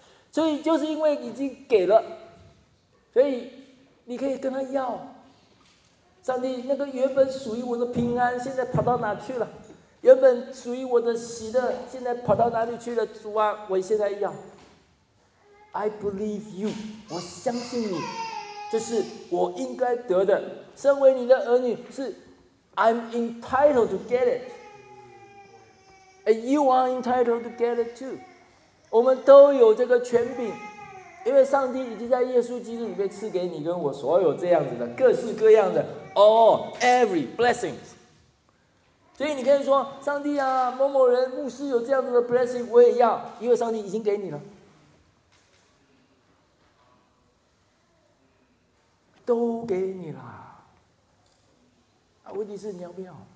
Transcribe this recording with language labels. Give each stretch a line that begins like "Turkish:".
Chinese: 所以就是因为已经给了，所以你可以跟他要，上帝，那个原本属于我的平安现在跑到哪去了？原本属于我的喜乐现在跑到哪里去了？主啊，我现在要，
English: I believe you，
Chinese: 我相信你，这是我应该得的。身为你的儿女，是
English: I'm entitled to get it， and you are entitled to get it too。
Chinese: 我们都有这个权柄，因为上帝已经在耶稣基督里面赐给你跟我所有这样子的各式各样的
English: all every blessings。
Chinese: 所以你可以说，上帝啊，某某人牧师有这样子的 blessing， 我也要，因为上帝已经给你了，都给你了。啊，问题是你要不要？